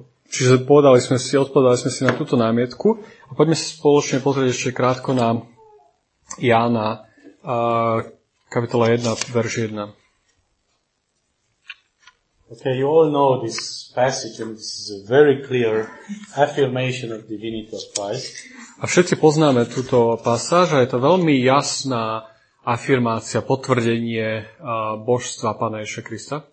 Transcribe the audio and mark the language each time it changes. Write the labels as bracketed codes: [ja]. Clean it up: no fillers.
[sk] Čiže odpovedali sme si na túto námietku a poďme sa spoločne pozrieť ešte krátko na Jána, kapitola 1, verš 1. [en] Okay, you all know this passage and this is a very clear affirmation of divinity of Christ. [sk] A všetci poznáme túto pasáž a je to veľmi jasná afirmácia, potvrdenie božstva Pána Ježiša Krista.